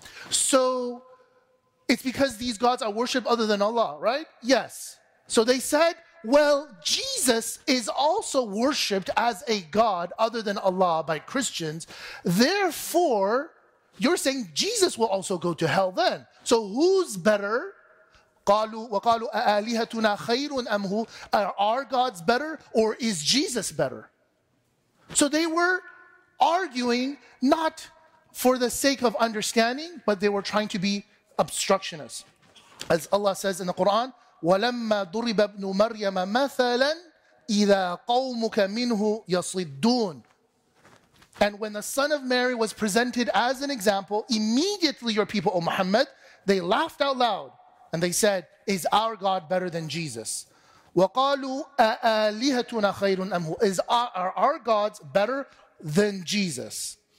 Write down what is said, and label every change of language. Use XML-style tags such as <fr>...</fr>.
<en>So it's because these gods are worshipped other than Allah, right? Yes. So they said, well, Jesus is also worshipped as a god other than Allah by Christians. Therefore, you're saying Jesus will also go to hell then. So who's better?</en> <ar>قالوا وقالوا أآلهتنا خير أم هو?</ar> <en>Are our gods better or is Jesus better? So they were arguing not for the sake of understanding, but they were trying to be obstructionists. As Allah says in the Quran,</en> <ar>وَلَمَّا ضُرِبَ ابْنُ مَرْيَمَ مَثَلًا إِذَا قَوْمُكَ مِنْهُ يَصِدُّونَ.</ar> <en>And when the son of Mary was presented as an example, immediately your people, O Muhammad, they laughed out loud and they said, is our God better than Jesus?</en> <ar>وَقَالُوا أَآلِهَتُنَا خَيْرٌ أَمْ هُوَ.</ar> <en>Is our gods better than Jesus?</en>